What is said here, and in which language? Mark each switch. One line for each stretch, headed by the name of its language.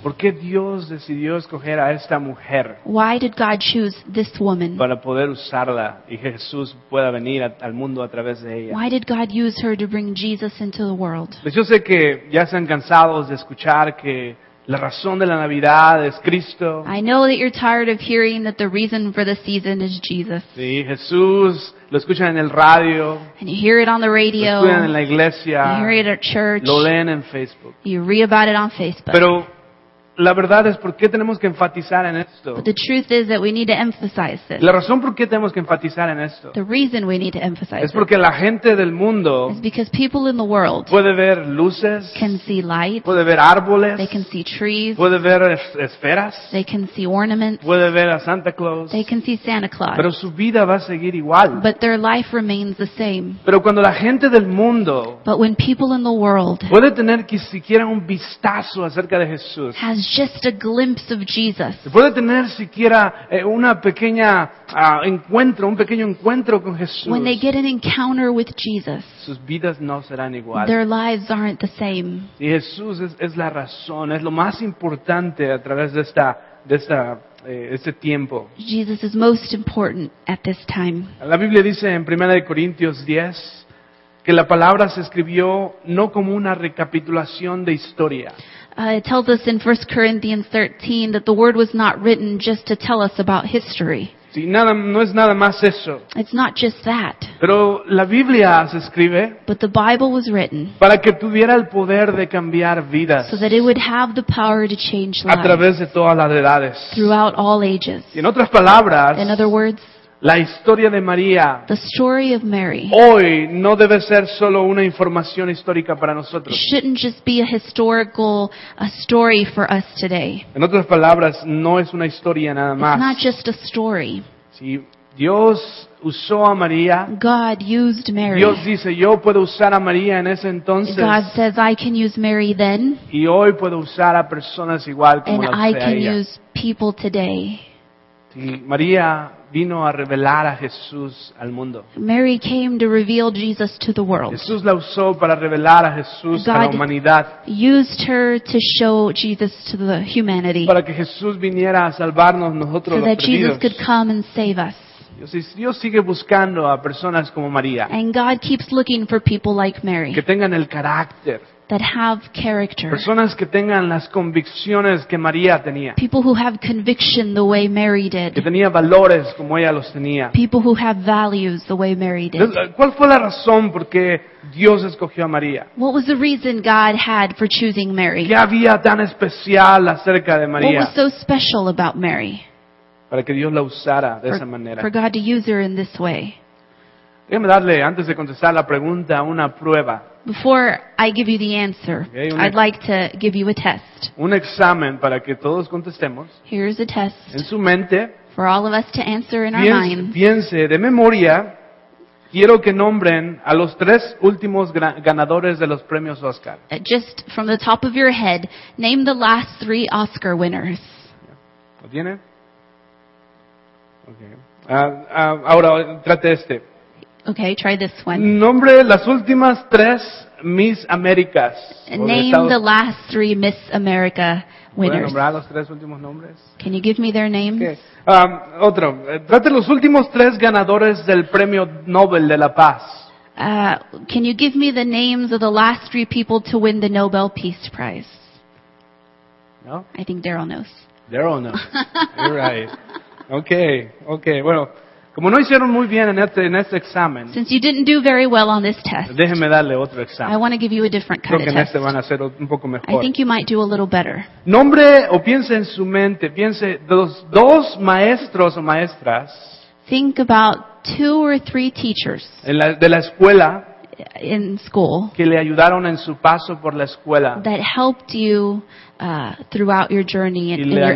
Spanish: ¿Por qué Dios decidió escoger a esta mujer?
English: Why did God choose this woman?
Spanish: Para poder usarla y que Jesús pueda venir al mundo a través de ella.
English: Why did God use her to bring Jesus into the world?
Spanish: Pues yo sé que ya se han cansado de escuchar que la razón de la Navidad es Cristo.
English: I know that you're tired of hearing that the reason for the season is Jesus.
Spanish: Sí, Jesús, lo escuchan en el radio.
English: And you hear it on the radio.
Spanish: Lo escuchan en la iglesia.
English: You hear it at church.
Spanish: Lo leen en Facebook.
English: You read about it on Facebook.
Spanish: Pero La verdad es por qué tenemos que enfatizar en esto.
English: But the truth is that we need to emphasize this.
Spanish: La razón por qué tenemos que enfatizar en esto.
English: The reason we need to emphasize
Spanish: es porque la gente del mundo
English: is because people in the world
Spanish: puede ver luces,
English: can see light,
Spanish: puede ver árboles,
English: they can see trees,
Spanish: puede ver esferas,
English: they can see ornaments,
Spanish: puede ver a Santa Claus,
English: they can see Santa Claus.
Spanish: Pero su vida va a seguir igual.
English: But their life remains the same.
Spanish: Pero cuando la gente del mundo
English: but when people in the world
Spanish: puede tener que siquiera un vistazo acerca de Jesús,
English: has just a glimpse of Jesus.
Spanish: Puede tener siquiera una pequeña encuentro, un pequeño encuentro con Jesús.
English: When they get an encounter with Jesus,
Spanish: sus vidas no serán igual.
English: Their lives aren't the same.
Spanish: Y Jesús es la razón, es lo más importante a través de esta este tiempo.
English: Jesus is most important at this time.
Spanish: La Biblia dice en 1 Corintios 10 que la palabra se escribió no como una recapitulación de historia.
English: It tells us in 1 Corinthians 13 that the word was not written just to tell us about history.
Spanish: Sí, nada, no es nada más eso.
English: It's not just that.
Spanish: Pero la Biblia se escribe
English: but the Bible was written
Spanish: para que tuviera el poder de cambiar vidas
English: so that it would have the power to change lives
Spanish: a través de todas las edades.
English: Throughout all ages.
Spanish: Y en otras palabras,
English: in other words,
Spanish: la historia de María
English: the story of Mary
Spanish: hoy no debe ser solo una información histórica para nosotros.
English: Shouldn't just be a historical a story for us today.
Spanish: En otras palabras, no es una historia nada más.
English: It's not just a story.
Spanish: Si Dios usó a María,
English: God used Mary.
Spanish: Dios dice, yo puedo usar a María en ese entonces.
English: God says, I can use Mary then.
Spanish: Y hoy puedo usar a personas igual como
English: and
Spanish: las
English: I can use people today.
Spanish: Si María vino a revelar a Jesús al mundo.
English: Mary came to reveal Jesus to the world.
Spanish: Jesús la usó para revelar a Jesús
English: God
Spanish: a la humanidad.
English: Used her to show Jesus to the humanity.
Spanish: Para que Jesús viniera a salvarnos nosotros
English: so
Spanish: los perdidos.
English: Jesus could come and save us.
Spanish: Dios sigue buscando a personas como María.
English: And God keeps looking for people like Mary.
Spanish: Que tengan el carácter.
English: That have character.
Spanish: Personas que tengan las convicciones que María tenía.
English: People who have conviction the way Mary did.
Spanish: Que tenía valores como ella los tenía.
English: People who have values the way Mary did.
Spanish: ¿Cuál fue la razón por qué Dios escogió a María?
English: What was the reason God had for choosing Mary?
Spanish: ¿Qué había tan especial acerca de María?
English: What was so special about Mary?
Spanish: Para que Dios la usara de esa manera.
English: For God to use her in this way.
Spanish: Déjame darle, antes de contestar la pregunta, una prueba.
English: Before I give you the answer, okay, I'd like to give you a test.
Spanish: Un examen para que todos contestemos.
English: Here's a test.
Spanish: En su mente.
English: For all of us to answer in our mind.
Spanish: Piense de memoria. Quiero que nombren a los tres últimos ganadores de los premios Oscar.
English: Just from the top of your head, name the last three Oscar winners.
Spanish: ¿Lo tiene? Okay. Ahora trate este.
English: Okay, try this one.
Spanish: Nombre las últimas tres Miss Américas.
English: Name the last three Miss America winners.
Spanish: ¿Nombrar los tres últimos nombres?
English: Can you give me their names?
Spanish: Okay. Otro. Trate los últimos tres ganadores del Premio Nobel de la Paz.
English: Can you give me the names of the last three people to win the Nobel Peace Prize? No. I think Daryl knows. Daryl knows. You're right. Okay.
Spanish: Bueno. Como no hicieron muy bien en este examen.
English: Since you didn't do very well on this test.
Spanish: Déjenme darle otro examen.
English: I want to give you a different kind of test.
Spanish: Creo que en este van a hacer un poco mejor.
English: I think you might do a little better.
Spanish: Nombre o piense en su mente, piense dos maestros o maestras.
English: Think about two or three teachers.
Spanish: De la escuela.
English: In school.
Spanish: Que le ayudaron en su paso por la escuela.
English: That helped you throughout your journey in your education.